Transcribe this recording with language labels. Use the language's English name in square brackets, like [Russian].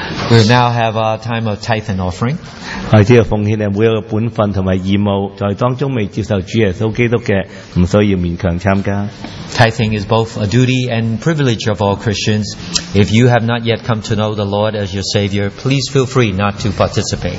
[English] We now have a time of tithe and offering. [Cantonese] 我知道奉献系每一个本分同埋义务，在当中未接受主耶稣基督嘅，唔需要勉强参加。 [English] Tithing is both a duty and privilege of all Christians. If you have not yet come to know the Lord as your Savior, please feel free not to participate.